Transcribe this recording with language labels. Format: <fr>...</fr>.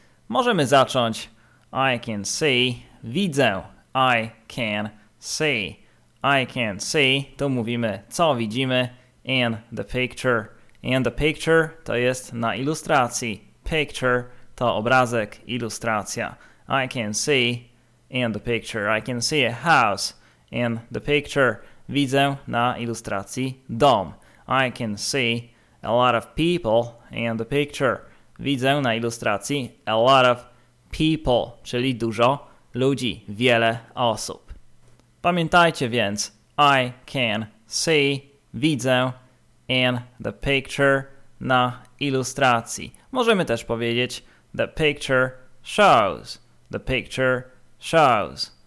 <pl>Możemy zacząć:</pl> <en>I can see,</en> <pl>widzę,</pl> <en>I can see. I can see,</en> <pl>to mówimy, co widzimy,</pl> <en>in the picture. In the picture</en> <pl>to jest na ilustracji. Picture to obrazek, ilustracja.</pl> <en>I can see in the picture. I can see a house in the picture.</en> <pl>Widzę na ilustracji dom.</pl> <en>I can see a lot of people in the picture.</en> <pl>Widzę na ilustracji</pl> <en>a lot of people,</en> <pl>czyli dużo ludzi, wiele osób. Pamiętajcie więc,</pl> <en>I can see,</en> <pl>widzę,</pl> <en>in the picture,</en> <pl>na ilustracji. Możemy też powiedzieć,</pl> <en>the picture shows, the picture shows.</en>